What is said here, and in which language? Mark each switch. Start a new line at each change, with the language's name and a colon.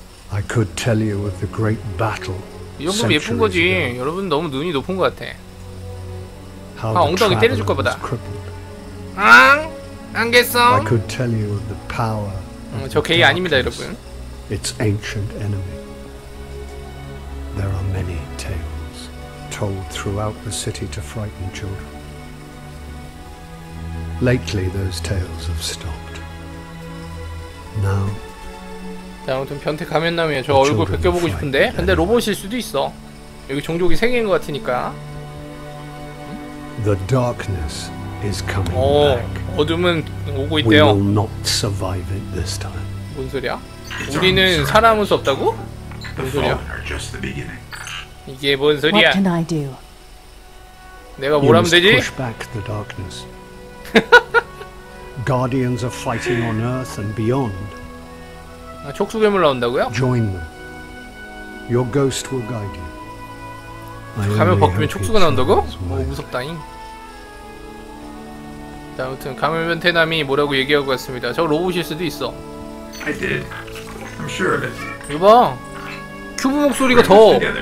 English: I could tell you of the great battle.
Korean: 이 정도면 예쁜 거지. 여러분 너무 눈이 높은 거 같아. 아 엉덩이 때려줄 거 보다. 응? 안 겠어?
English: I could tell you of the power.
Korean: 저 개 아닙니다, 여러분.
English: It's ancient enemy. There are many tales told throughout the city to frighten children. Lately, those tales have stopped. Now.
Korean: 자, 아무튼 변태 가면남이야. 저 얼굴 벗겨보고 싶은데. 근데 로봇일 수도 있어. 여기 종족이 세 개인 것 같으니까.
English: The darkness is coming
Korean: 어둠은 오고 있대요.
English: We will not survive it this time.
Korean: 뭔 소리야? 우리는 살아남을 수 없다고? 뭔 소리야? 이게 뭔 소리야?
English: What can I do?
Korean: 내가 뭘 하면 되지?
English: You must push back the darkness. Guardians are fighting on Earth and beyond.
Korean: 아, 촉수 괴물 나온다고요?
English: Join them. Your ghost will guide you.
Korean: 가면 벗기면 촉수가 나온다고? 오, 무섭다잉. 자, 아무튼 가면 변태남이 뭐라고 얘기하고 왔습니다. 저 로봇일 수도 있어.
English: I did. I'm sure of it.
Korean: 이봐. 큐브 목소리가 더.